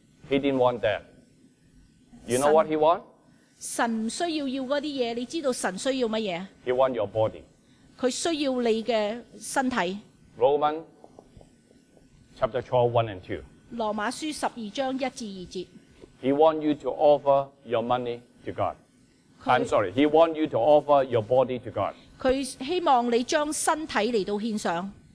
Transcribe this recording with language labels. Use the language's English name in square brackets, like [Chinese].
[English] He didn't want that. You know what he want? [Cantonese] 神唔需要要嗰啲嘢，你知道神需要乜嘢 [English] ？He want your body. [Cantonese] 佢需要你嘅身体。 [English] Roman chapter 12:1 and 2. [Cantonese] 罗马书十二章一至二节。 [English] He want you to offer your money to God. I'm sorry. He want you to offer your body to God. [Cantonese] 佢希望你将身体嚟到献上。